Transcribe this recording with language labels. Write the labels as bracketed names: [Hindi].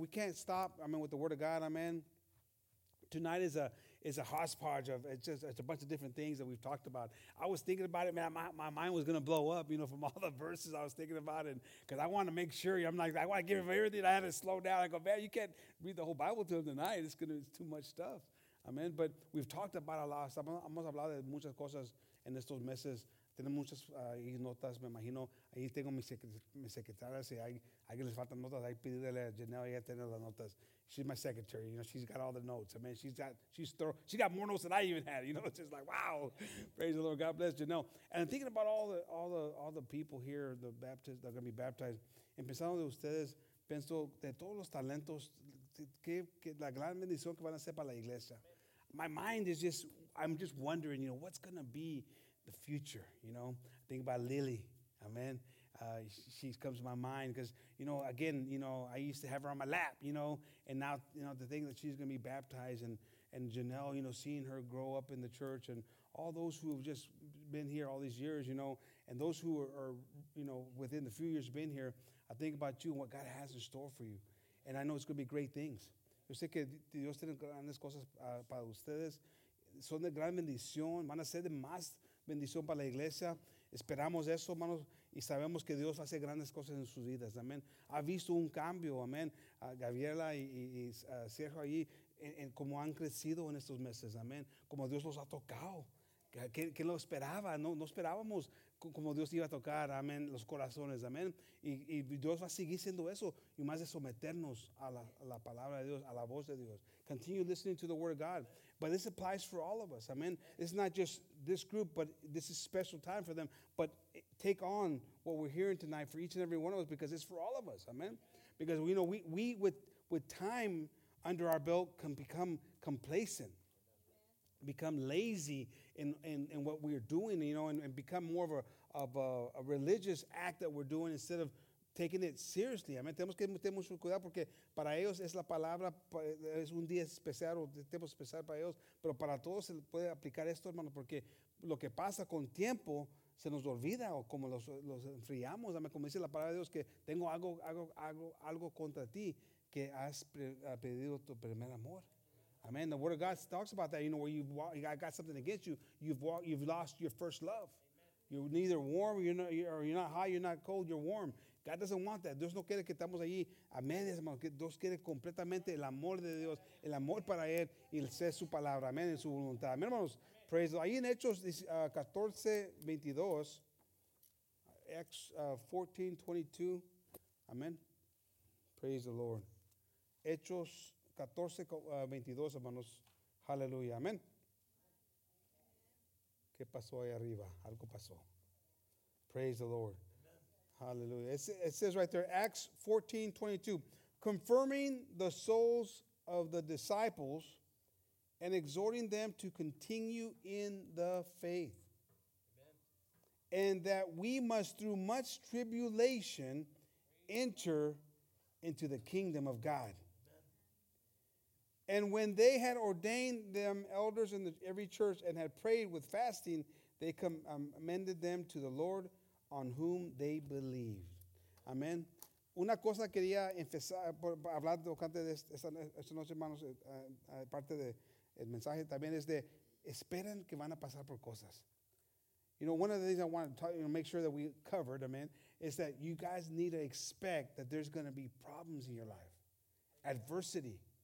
[English] We can't stop, amen, with the word of God, amen. Tonight is a hodgepodge of it's a bunch of different things that we've talked about. I was thinking about it, man. My mind was gonna blow up, you know, from all the verses I was thinking about, and because I want to make sure. I'm like, I want to give him everything. I had to slow down. I go, man, you can't read the whole Bible to him tonight. It's too much stuff. Amen. But we've talked about a lot. [Spanish] Hemos hablado de muchas cosas en estos meses. Tenemos muchas notas. Me imagino ahí tengo mi secretaria. Si alguien les faltan notas, ahí pídele a Janelle, ella tiene las notas. [English] She's my secretary, you know, she's got all the notes. I mean, she got more notes than I even had, you know. It's just like, wow. Praise the Lord. God bless Janelle. And I'm thinking about all the people here, the Baptists that are gonna be baptized. [Spanish] Empezando de ustedes, pienso de todos los talentos, que la gran bendición que van a ser para la iglesia. [English] My mind is just, I'm just wondering, you know, what's gonna be the future, you know. I think about Lily. Amen. She comes to my mind because, you know, again, you know, I used to have her on my lap, you know, and now, you know, the thing that she's going to be baptized and Janelle, you know, seeing her grow up in the church and all those who have just been here all these years, you know, and those who are you know, within the few years been here, I think about you and what God has in store for you. And I know it's going to be great things. [Spanish] Yo sé que Dios tiene grandes cosas para ustedes. Son de gran bendición. Van a ser de más bendición para la iglesia. Esperamos eso, hermanos, y sabemos que Dios hace grandes cosas en sus vidas, amén. Ha visto un cambio, amén. Gabriela y Sergio allí, en cómo han crecido en estos meses, amén. Como Dios los ha tocado. ¿Quién lo esperaba? No esperábamos como Dios iba a tocar, amén, los corazones, amén. Y Dios va a seguir siendo eso, y más de someternos a la palabra de Dios, a la voz de Dios. [English] Continue listening to the word of God. But this applies for all of us, amén. It's not just this group, but this is a special time for them. But take on what we're hearing tonight for each and every one of us, because it's for all of us, amén. Because, you know, we with time under our belt can become complacent, become lazy in what we're doing, you know, and become more of a religious act that we're doing instead of taking it seriously. Amen. [Spanish] Tenemos que tener mucho cuidado porque para ellos es la palabra, es un día especial o tiempo especial para ellos, pero para todos se puede aplicar esto, hermano, porque lo que pasa con tiempo se nos olvida o como los enfriamos. Amen. Como dice la palabra de Dios, que tengo algo contra ti que has perdido tu primer amor. Amen. [English] The word of God talks about that. You know, where you've got something against you. You've lost your first love. Amen. You're neither warm, you're not hot, you're not cold, you're warm. God doesn't want that. [Spanish] Dios no quiere que estamos allí a medias, hermano. Dios quiere completamente el amor de Dios, el amor para Él y el ser su palabra. Amen. En su voluntad. Amen, hermanos. Amen. [English] Praise the Lord. [Spanish] Ahí en Hechos 14:22, Acts 14:22. Amen. Praise the Lord. Hechos 14:22, hermanos. Aleluya. Amén. ¿Qué pasó ahí arriba? Algo pasó. [English] Praise the Lord. [Spanish] Aleluya. [English] It says right there, Acts 14:22, confirming the souls of the disciples and exhorting them to continue in the faith. And that we must through much tribulation enter into the kingdom of God. And when they had ordained them elders in every church and had prayed with fasting, they commended them to the Lord on whom they believed. Amen. [Spanish] Una cosa quería empezar a hablar durante esta noche, hermanos, parte del mensaje también es de esperen que van a pasar por cosas. [English] You know, one of the things I want to talk, you know, make sure that we covered, amen, is that you guys need to expect that there's going to be problems in your life, adversity.